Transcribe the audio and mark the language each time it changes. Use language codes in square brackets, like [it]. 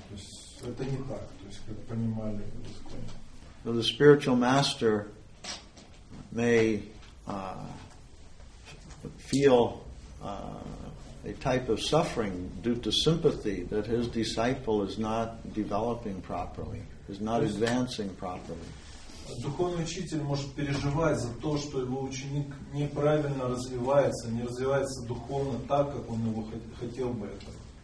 [ru] То есть это не так, то есть как понимали. [en] So the spiritual master may feel a type of suffering due to sympathy that his disciple is not developing properly, is not advancing properly. [ru] Духовный учитель может переживать за то, что его ученик неправильно развивается, не развивается духовно так, как он его хотел бы этого.